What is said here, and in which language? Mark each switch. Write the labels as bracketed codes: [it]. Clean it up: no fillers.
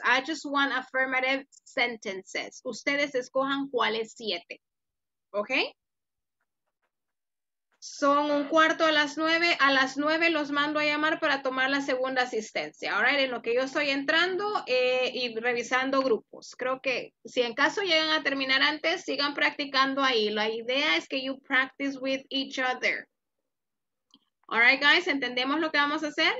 [en] I just want affirmative sentences. [es] Ustedes escojan cuáles 7. [en] ¿Ok? [es] Son un cuarto a las 9. A las 9 los mando a llamar para tomar la segunda asistencia. All right, en lo que yo estoy entrando y revisando grupos. Creo que si en caso llegan a terminar antes, sigan practicando ahí. La idea es que [en] you practice with each other. [es] All right, guys, ¿entendemos lo que vamos a hacer?